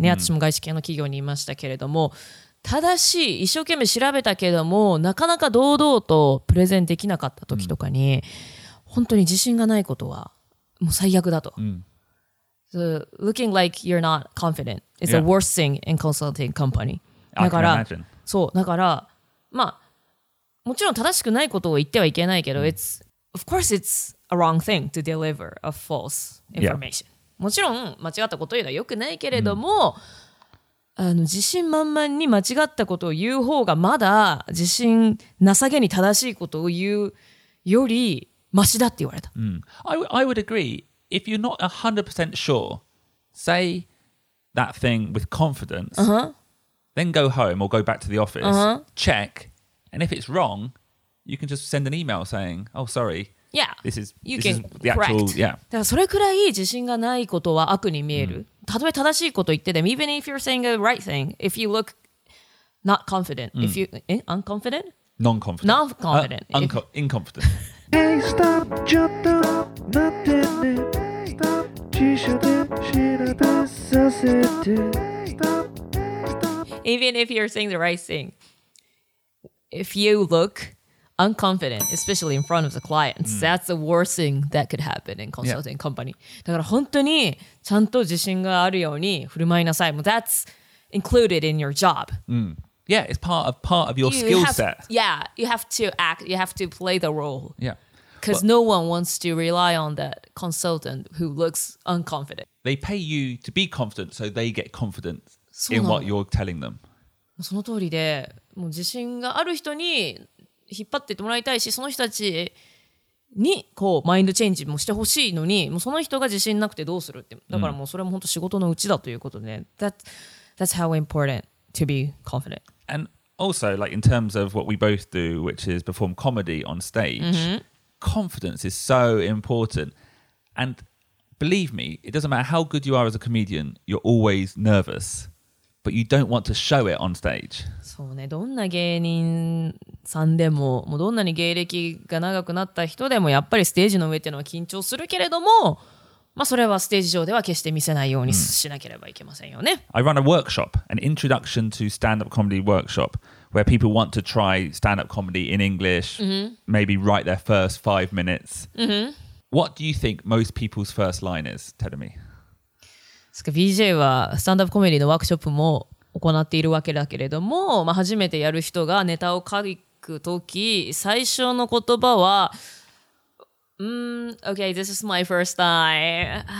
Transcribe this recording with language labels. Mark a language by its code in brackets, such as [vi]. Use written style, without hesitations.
[ja] ね、私も外資系の企業にいましたけれども正しい、一生懸命調べたけれどもなかなか堂々とプレゼンできなかった時とかに、本当に自信がないことはもう最悪だと。 [en] So, looking like you're not confident is the worst thing in consulting company. I can imagine. [ja] そう、だから、まあ、もちろん正しくないことを言ってはいけないけど、 [en] it's, of course it's a wrong thing to deliver a false information. Yeah. [ja] もちろん間違ったことを言うのは良くないけれども、自信満々に間違ったことを言う方がまだ自信なさげに正しいことを言うよりマシだって言われた。 [en] I would agree. If you're not 100% sure, say that thing with confidence, then go home or go back to the office, check, and if it's wrong, you can just send an email saying, oh, sorry, yeah, this is the actual, yeah. [ja] それくらい自信がないことは悪に見える。たとえ正しいこと言ってても、 [en] even if you're saying the right thing, if you look not confident, if you, unconfident? Non-confident. Incompetent. Hey, stop, jump the... Even if you're saying the right thing, if you look unconfident, especially in front of the clients, that's the worst thing that could happen in consulting company. [ja] だから本当にちゃんと自信があるように振る舞いなさい。 [en] That's included in your job. Yeah, it's part of your skill set. Yeah, you have to act, you have to play the role. Yeah. Because no one wants to rely on that consultant who looks unconfident. They pay you to be confident, so they get confident in what you're telling them. [ja] その通りで、もう自信がある人に引っ張ってもらいたいし、その人たちにこうマインドチェンジもしてほしいのに、もうその人が自信なくてどうするって。だからもうそれも本当仕事のうちだということで、 [en] That's how important to be confident. And also, like in terms of what we both do, which is perform comedy on stage. Confidence is so important, and believe me, it doesn't matter how good you are as a comedian, you're always nervous, but you don't want to show it on stage. [ja] そうね、どんな芸人さんでも、もうどんなに芸歴が長くなった人でも、やっぱりステージの上っていうのは緊張するけれども、まあそれはステージ上では決して見せないようにしなければいけませんよね。 [en] I run a workshop, an introduction to stand-up comedy workshop. Where people want to try stand-up comedy in English, maybe write their first 5 minutes. What do you think most people's first line is, Terumi? [ja] BJ はスタンダップコメディのワークショップも行っているわけだけれども、まあ、初めてやる人がネタを書くとき、最初の言葉は、 [en] okay, this is my first time.